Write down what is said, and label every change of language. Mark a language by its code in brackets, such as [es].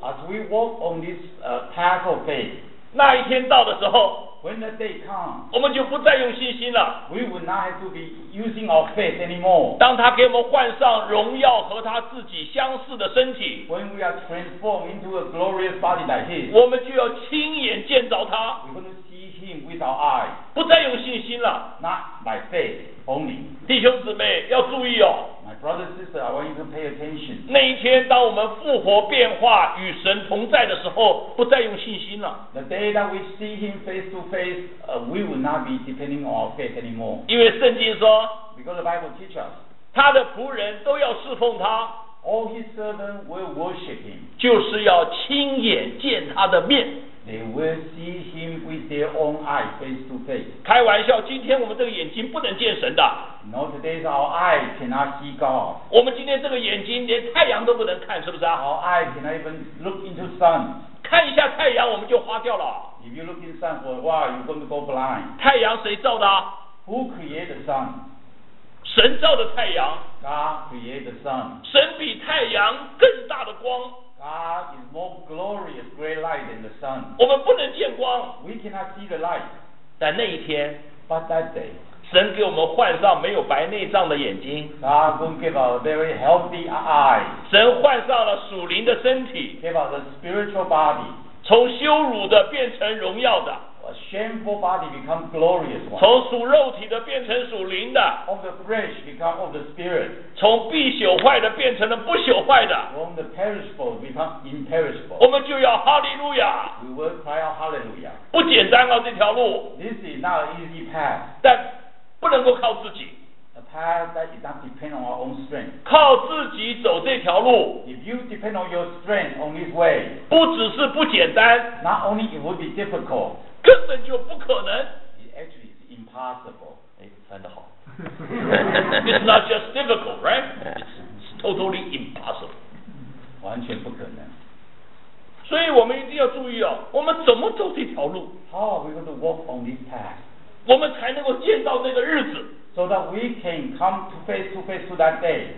[en] As we walk on this path of faith. [zh] 那一天到的时候。 [en] When the day comes. [zh] 我们就不再用信心了。 [en] We will not have to be using our faith anymore. [zh] 当他给我们换上荣耀和他自己相似的身体。 [en] When we are transformed into a glorious body like his. [zh] 我们就要亲眼见着他。 [en] We will see him with our eyes. [zh] 不再用信心了。 [en] Not by faith only. [zh] 弟兄姊妹要注意哦。 [en] My brothers and sisters, I want you to pay attention. [zh] 那一天，当我们复活变化与神同在的时候，不再用信心了。 [en] The day that we see Him face to face, we will not be depending on our faith anymore. [zh] 因为圣经说 [en] ，Because the Bible teaches us, [zh] 他的仆人都要侍奉他。 [en] All His servants will worship Him. [zh] 就是要亲眼见他的面。 [en] They will see him with their own eyes, face to face. [zh] 开玩笑，今天我们这个眼睛不能见神的。 [en] No, today's our eye cannot see God. [zh] 我们今天这个眼睛连太阳都不能看，是不是啊？ [en] Our eye cannot even look into sun. [zh] 看一下太阳，我们就花掉了。 [en] If you look into sun for a while, you're going to go blind. [zh] 太阳谁照的？ [en] Who created the sun? [zh] 神照的太阳。 [en] God created the sun. [zh] 神比太阳更大的光。 [en] God is more glorious, great light than the sun. [zh] 我们不能见光。 [en] We cannot see the light. [zh] 但那一天 [en] ，But that day, [zh] 神给我们换上没有白内障的眼睛。 [en] God will give us a very healthy eye. [zh] 神换上了属灵的身体。 [en] Give us a spiritual body. [zh] 从羞辱的变成荣耀的。 [en] A shameful body become glorious one. [zh] 从属肉体的变成属灵的。 [en] Of the flesh become of the spirit. [zh] 从必朽坏的变成了不朽坏的。 [en] From the perishable become imperishable. [zh] 我们就要哈利路亚。 [en] We will cry out hallelujah. [zh] 不简单啊，这条路。 [en] This is not an easy path. [zh] 但不能够靠自己。 [en] A path that does not depend on our own strength. [zh] 靠自己走这条路。 [en] If you depend on your strength on this way. [zh] 不只是不简单。 [en] Not only it will be difficult. [zh] 根本就不可能。 [en] It actually is impossible. [zh] 哎，翻得好。 [en] It's not just difficult, right? It's totally impossible. [zh] 完全不可能。所以我们一定要注意哦，我们怎么走这条路 [en] ？How are we going to walk on this path? [zh] 我们才能够见到那个日子 [en] ，so that we can come to face to that day.